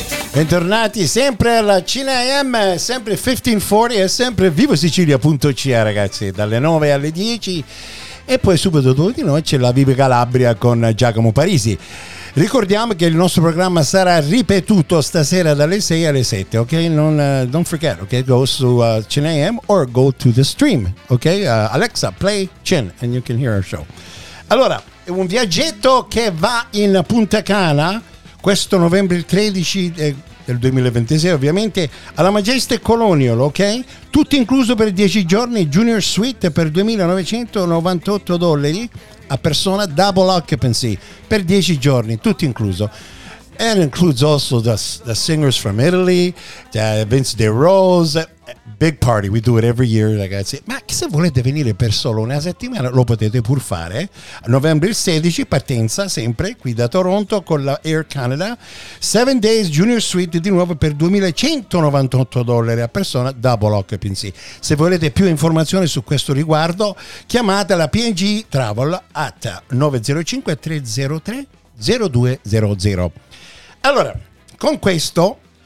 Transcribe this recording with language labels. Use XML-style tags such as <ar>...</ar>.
<it>Bentornati sempre alla Cine AM, sempre 1540 e sempre vivosicilia.ca, ragazzi, dalle 9 alle 10 e poi subito dopo di noi c'è la Vive Calabria con Giacomo Parisi. Ricordiamo che il nostro programma sarà ripetuto stasera dalle 6 alle 7, ok?</it> <en>Non don't forget, ok? Go su Cine AM or go to the stream, ok? Alexa, play Cine and you can hear our show.</en> <it>Allora, un viaggetto che va in Punta Cana questo novembre 13 del 2026, ovviamente, alla Majestic Colonial, ok? Tutto incluso per 10 giorni, Junior Suite per $2,998 a persona, double occupancy per 10 giorni, tutto incluso.</it> <en>And includes also the singers from Italy, Vince De Rose, big party, we do it every year, ragazzi.</en> <it>Ma che se volete venire per solo una settimana, lo potete pur fare. A novembre 16, partenza sempre qui da Toronto con la Air Canada. 7 days Junior Suite di nuovo per $2,198 a persona, double occupancy. Se volete più informazioni su questo riguardo, chiamate la PNG Travel at 905-303-0200. Allora, con questo</it>